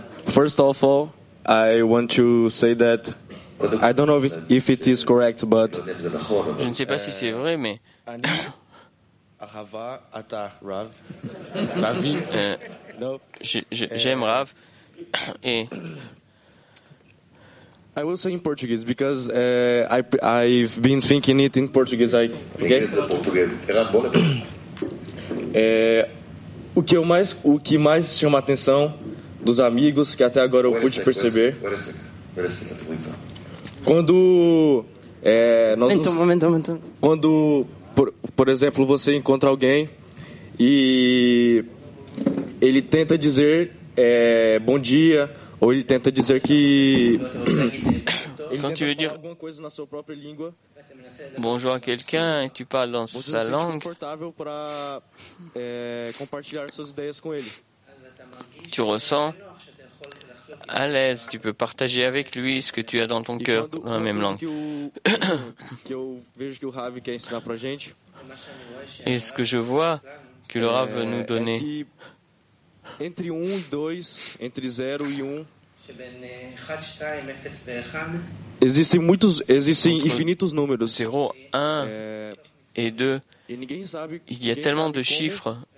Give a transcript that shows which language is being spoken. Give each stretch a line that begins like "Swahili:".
English: First of all, I want to say that I don't know if it is correct, but
French: je ne sais pas si c'est vrai, mais j'aime Rav et
English: I will say in Portuguese because I've been thinking it in Portuguese. Okay.
Portuguese: O que mais chama a atenção dos amigos que até agora eu pude perceber. Quando nós quando por exemplo você encontra alguém e ele tenta dizer bom dia. Ou ele tenta dizer que
French: quando tu veux dire
Portuguese: alguma coisa na sua própria língua,
French: bonjour à quelqu'un, e tu parles dans sa langue,
Portuguese: confortável para compartilhar suas ideias com ele.
French: Tu ressens à l'aise, tu peux partager avec lui ce que tu as dans ton cœur dans la même langue.
Portuguese: Que eu vejo que o Ravi quer ensinar pra gente.
French: Et ce que je vois que le Ravi veut nous donner.
Portuguese: Entre 1 e 2, entre 0 e 1. Existem infinitos números.
French: 0, 1 e 2. Il y a tellement de chiffres.